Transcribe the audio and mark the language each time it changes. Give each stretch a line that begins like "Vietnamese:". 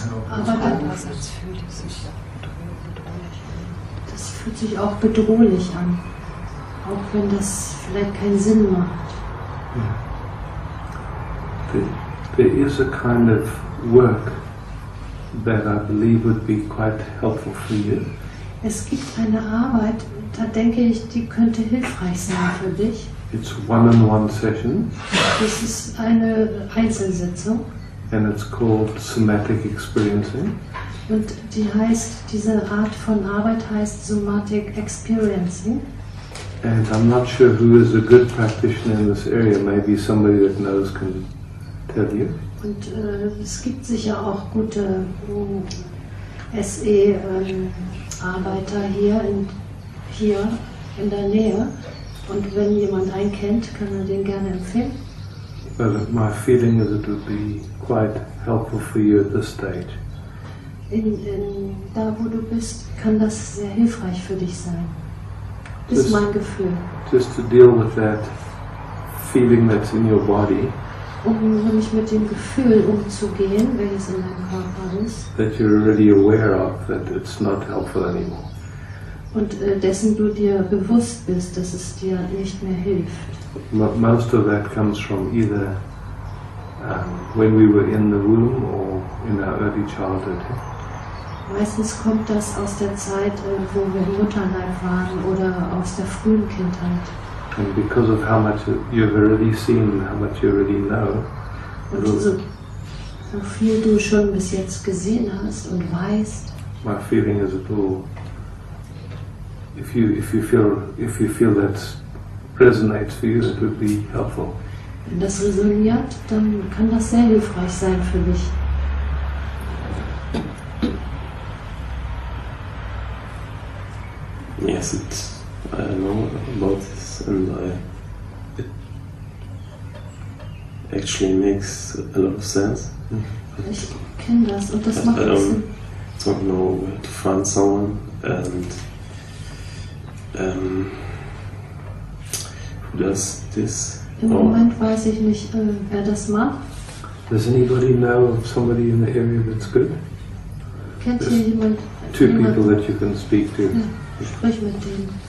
German: Aber andererseits fühlt es sich bedrohlich an. Das fühlt sich auch bedrohlich an. Auch wenn das vielleicht keinen Sinn macht.
English: There is a kind of work that I believe would be quite helpful for you.
German: Es gibt eine Arbeit, da denke ich, die könnte hilfreich sein für dich.
English: It's one-on-one session.
German: Das ist eine Einzelsitzung.
English: And it's called Somatic Expiriencing.
German: Und die heißt, diese Art von Arbeit heißt Somatic Expiriencing.
English: And I'm not sure who is a good practitioner in this area. Maybe somebody that knows can tell you.
German: Und es gibt sicher auch gute SE-Arbeiter hier in der Nähe. Und wenn jemand einen kennt, kann er den gerne empfehlen.
English: But my feeling is it would be quite helpful for you at this stage.
German: In da wo du bist, kann das sehr hilfreich für dich sein. Das ist mein Gefühl.
English: Just to deal with that feeling that's in your body.
German: Um nämlich mit dem Gefühl umzugehen, welches in deinem Körper ist.
English: That you're already aware of that it's not helpful anymore.
German: Und dessen du dir bewusst bist, dass es dir nicht mehr hilft.
English: Most of that comes from either when we were in the womb or in our early childhood.
German: Meistens kommt das aus der Zeit, wo wir im Mutterleib waren oder aus der frühen Kindheit.
English: And because of how much you've already seen, how much you already know.
German: Und so viel du schon bis jetzt gesehen hast und weißt.
English: My feeling is it will. If you feel that resonates for you, it would be helpful.
German: Wenn das resoniert, dann kann das sehr hilfreich sein für mich.
English: Yes, I know about this, and it actually makes a lot of sense.
German: Ich kenne das und das macht Sinn.
English: I don't know where to find someone and. Who does this?
German: Im Moment weiß ich nicht, wer das macht.
English: Does anybody know of somebody in the area that's good?
German: Kennt hier jemand?
English: Two people that you can speak to.
German: Ja, sprich mit denen.